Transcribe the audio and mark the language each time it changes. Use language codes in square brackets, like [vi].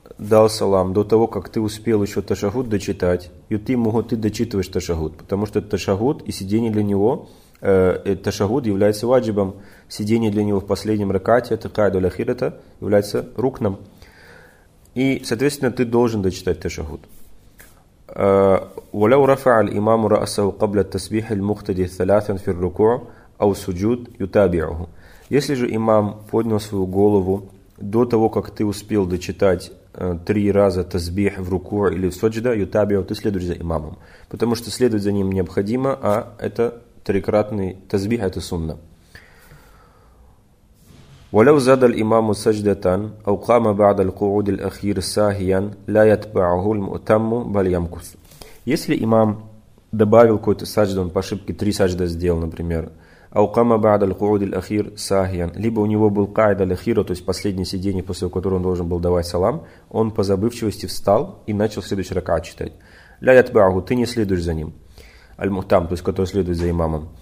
[ru] дал салам до того, как ты успел еще ташагуд дочитать, и ты, мого, ты дочитываешь ташагуд, потому что ташагуд и сидение для него, ташагуд является ваджибом, сидение для него в последнем ракате, это кайду ляхир, это является рукном. И, соответственно, ты должен дочитать ташагуд. [ar] ولو رفع الإمام رأسه قبل التسبيح المقتدي ثلاثا في الركوع أو سجود يتابعه. [ru] Если же имам поднял свою голову до того, как ты успел дочитать три раза тасбих в руку или в саджда, ютабиу, ты следуешь за имамом. Потому что следовать за ним необходимо, а это трикратный тасбих, это сунна. [ar] ولو زاد الإمام سجدة أو قام بعد القعود الأخير ساهيا لا يتبعه المؤتم بل يمكث. [ru] Если имам добавил какой-то саджд, он по ошибке три саджда сделал, например, [ar] أو قام بعد القعود الأخير ساهيا, [ru] либо у него был [ar] قاعدة الأخير, [ru] то есть последнее сидение, после которого он должен был давать салам, он по забывчивости встал и начал следующий ракаат читать. [ar] لا يتبعه, [ru] ты не следуешь за ним. المؤتم, то есть который следует за имамом.